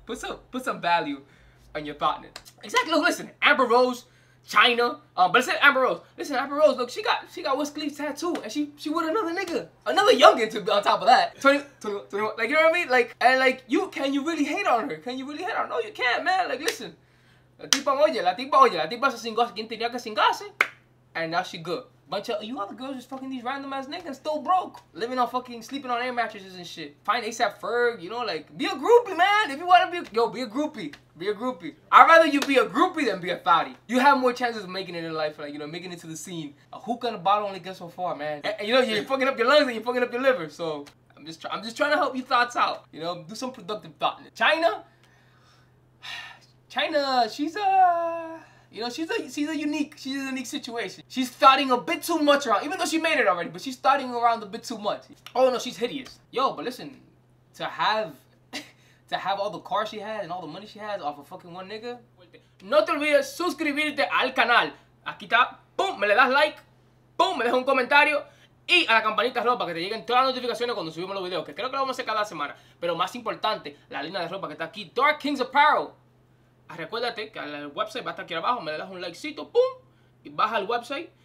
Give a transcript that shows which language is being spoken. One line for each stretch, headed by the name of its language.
English: Put some value on your thoughtness. Exactly. Look, listen, Amber Rose, China. But it said Amber Rose. Listen, Amber Rose, look, she got Wiz Khalifa tattoo and she with another nigga. Another youngin' to be on top of that. 21. Like, you know what I mean? Like, and like, can you really hate on her? No, you can't, man. Like, listen.
Spanish: La tipa se cingó quien tenía que cingarse.
English: And now she good. Bunch of you other girls just fucking these random ass niggas still broke. Living on fucking sleeping on air mattresses and shit. Find ASAP Ferg, you know, like be a groupie, man. If you wanna be a groupie. Be a groupie. I'd rather you be a groupie than be a thotty. You have more chances of making it in life, like, you know, making it to the scene. A hookah and a bottle only gets so far, man. And you know, you're fucking up your lungs and you're fucking up your liver. So I'm just trying to help you thoughts out. You know, do some productive thought. China, she's a... You know, she's a unique situation. She's starting a bit too much around, even though she made it already, but she's starting around a bit too much. Oh no, she's hideous. Yo, but listen, to have all the cars she has and all the money she has off of fucking one nigga.
Spanish: No te olvides suscribirte al canal. Aquí está, boom, me le das like, boom, me dejas un comentario y a la campanita roja para que te lleguen todas las notificaciones cuando subimos los videos, que creo que lo vamos a hacer cada semana. Pero más importante, la línea de ropa que está aquí, Dark Kings Apparel. Recuérdate que el website va a estar aquí abajo. Me le das un likecito, pum, y baja al website.